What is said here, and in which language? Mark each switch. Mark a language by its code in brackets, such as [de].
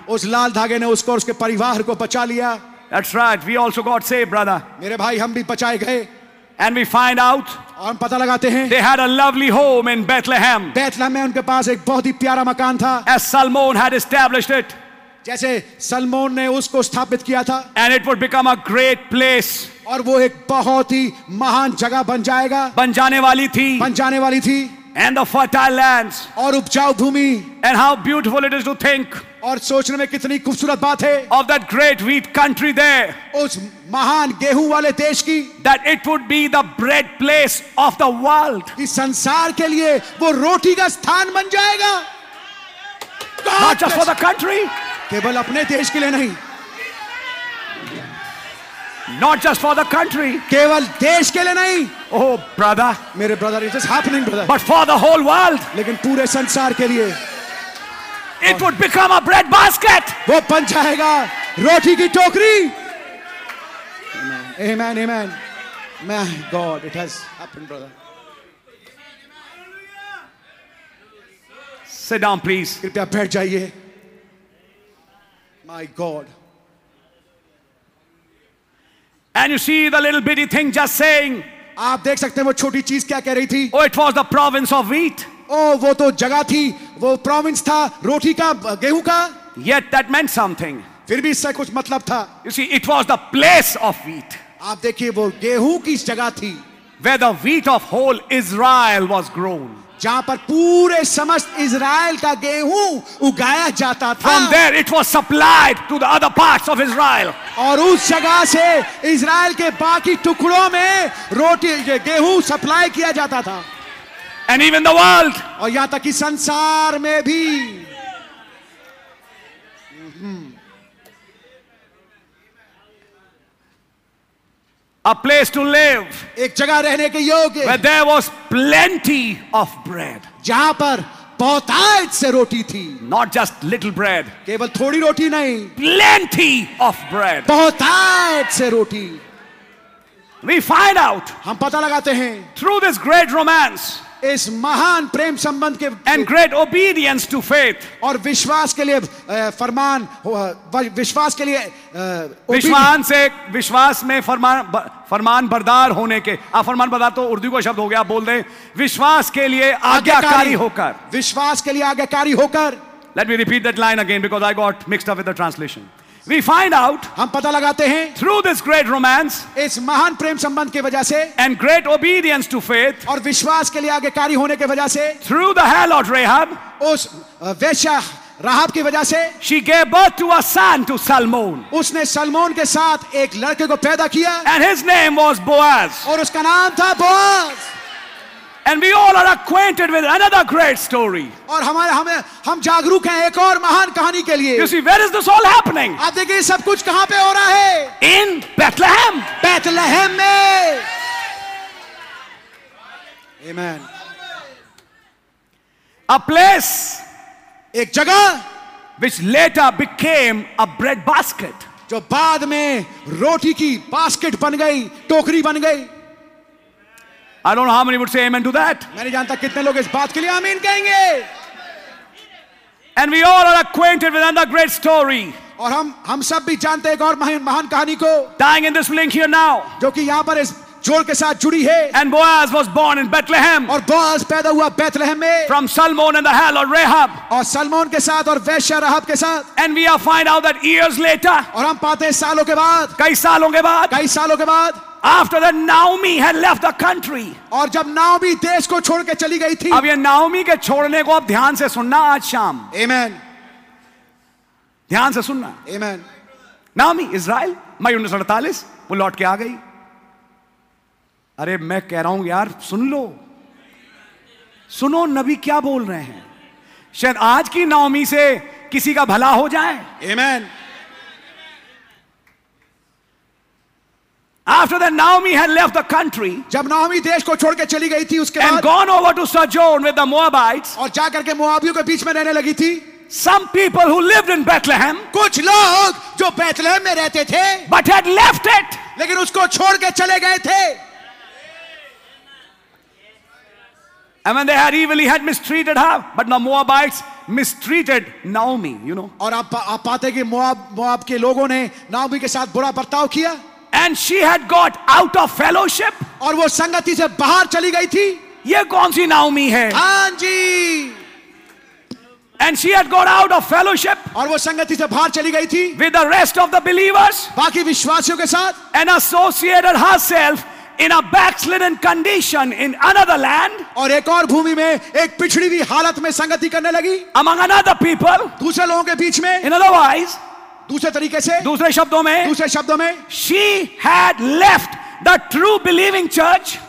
[hi] Us lal dhage ne usko aur uske parivar ko bacha liya. [en] That's right. We also got saved, brother. [hi] Mere bhai, hum bhi bachaye gaye. [en] And we find out. [hi] Aur hum pata lagate hain. [en] They had a lovely home in Bethlehem. [hi] Bethlehem mein unke paas ek bahut hi pyara makan tha. [en] As Salmon had established it. [hi] जैसे Salmon ने उसको स्थापित किया था. [en] And it would become a great place. [hi] और वो एक बहुत ही महान जगह बन जाएगा. बन जाने वाली थी. बन जाने वाली थी. [en] And the fertile lands. [hi] और उपजाऊ भूमि. [en] And how beautiful it is to think. [hi] और सोचने में कितनी खूबसूरत बात है. [en] Of that great wheat country there. [hi] उस महान गेहूं वाले देश की. [en] That it would be the bread place of the world. [hi] इस संसार के लिए वो रोटी का स्थान बन जाएगा. [en] Not just for the country. [hi] केवल अपने देश के लिए नहीं. [en] Not just for the country. [hi] केवल देश के लिए नहीं. [en] Oh brother. [hi] मेरे [en] brother, it is happening, brother. But for the whole world. [hi] लेकिन पूरे संसार के लिए. [en] It would become a bread basket. [hi] वो बन जाएगा रोटी की टोकरी. [en] Amen, amen, amen. My God, it has happened, brother. Sit down, please. [hi] कृपया बैठ जाइए. [en] My God. And you see the little bitty thing just saying. [hi] आप देख सकते हैं वो छोटी चीज क्या कह रही थी. [en] Oh, it was the province of wheat. [hi] Oh, वो तो जगह थी, वो province था रोटी का, गेहूं का. [en] Yet that meant something. [hi] फिर भी इससे कुछ मतलब था. [en] You see, it was the place of wheat. [hi] आप देखिए वो गेहूं की जगह थी. [en] Where the wheat of whole Israel was grown. [hi] जहां पर पूरे समस्त इज़राइल का गेहूं उगाया जाता था. [en] From there it was supplied to the other parts of Israel. [hi] और उस जगह से इज़राइल के बाकी टुकड़ों में रोटी गेहूं सप्लाई किया जाता था. [en] And even the world. [hi] और यहां तक कि संसार में भी. [en] A place to live. [hi] एक जगह रहने के योग्य. [en] Where there was plenty of bread. [hi] जहां पर बहुतायत से रोटी थी. [en] not just little bread, [hi] केवल थोड़ी रोटी नहीं, [en] plenty of bread, [hi] बहुतायत से रोटी. [en] We find out, [hi] हम पता लगाते हैं, [en] through this great romance, [hi] इस महान प्रेम संबंध के, [en] and great obedience to faith, [hi] और विश्वास के लिए फरमान, विश्वास के लिए विश्वास से, विश्वास में फरमान, फरमान बरदार होने के, आप फरमान बरदार तो उर्दू का शब्द हो गया, बोल दें, विश्वास के लिए आज्ञाकारी होकर, विश्वास के लिए आज्ञाकारी होकर. [en] Let me repeat that line again because I got mixed up with the translation. We find out, [hi] हम पता लगाते हैं, [en] through this great romance, [hi] इस महान प्रेम संबंध के वजह से, [en] and great obedience to faith, [hi] और विश्वास के लिए आज्ञाकारी होने के वजह से, [en] through the harlot Rahab, [hi] उस वेश्या राहब की वजह से, [en] she gave birth to a son to Salmon, [hi] उसने सलमोन के साथ एक लड़के को पैदा किया, [en] and his name was Boaz, [hi] और उसका नाम था Boaz. [en] And we all are acquainted with another great story. [hi] और हमारे हमें हम जागरूक हैं एक और महान कहानी के लिए. [en] You see, where is this all happening? [hi] आप देखिए सब कुछ कहाँ पे हो रहा है? [en] In Bethlehem. [hi] Bethlehem में. [en] Amen. A place, [hi] एक जगह, [en] which later became a bread basket, [hi] जो बाद में रोटी की basket बन गई, टोकरी बन गई. [en] I don't know how many would say amen to that. [hi] मैं नहीं जानता कितने लोग इस बात के लिए आमीन कहेंगे. [en] And we all are acquainted with another great story. [hi] और हम सब भी जानते हैं एक और महान कहानी को. [en] Tying in this link here now. [hi] जो कि यहाँ पर इस जोड़ के साथ जुड़ी है. [en] And Boaz was born in Bethlehem. [hi] और बोआज पैदा हुआ बेथलहम में. [en] From Salmon and the harlot Rahab. [hi] और सलमोन के साथ और वेश्या राहब के साथ. [en] And we are find out that years later. [hi] और हम पाते हैं सालों के बाद. कई सालों के बाद. [en] After that, Naomi had left the country. [hi] और जब नाओमी देश को छोड़कर चली गई थी. अब ये नाओमी के छोड़ने को आप ध्यान से सुनना आज शाम. [en] Amen. [hi] ध्यान से सुनना. [en] Amen. [hi] नाओमी इज़राइल, मई 1948 वो लौट के आ गई. अरे मैं कह रहा हूं यार सुन लो, सुनो नबी क्या बोल रहे हैं. शायद आज की नाओमी से किसी का भला हो जाए. [en] Amen. After that, Naomi had left the country. [hi] जब नाओमी देश को छोड़कर चली गई थी उसके बाद. [en] And gone over to sojourn with the Moabites. [hi] और जाकर के मोआबियों के बीच में रहने लगी थी. [en] Some people who lived in Bethlehem. [hi] कुछ लोग जो बेथलहम में रहते थे. [en] But had left it. [hi] लेकिन उसको छोड़कर चले गए थे. [en] And when they had evilly had mistreated her, but the Moabites mistreated Naomi, you know. [hi] और आप पाते कि मोआब के लोगों ने नाओमी के साथ बुरा बर्ताव किया. [en] And she had got out of fellowship. [hi] और वो संगति से बाहर चली गई थी. ये कौन सी नाओमी है? हाँ जी. [en] And she had got out of fellowship. [hi] और वो संगति से बाहर चली गई थी. [en] With the rest of the believers. [hi] बाकी विश्वासियों के साथ. [en] And associated herself in a backslidden condition in another land. [hi] और एक और भूमि में एक पिछड़ी हुई हालत में संगति करने लगी. [en] Among another people. [hi] दूसरे लोगों के बीच में. [en] In other wise. [hi] दूसरे तरीके से, दूसरे शब्दों में, [en] she had left the true believing church,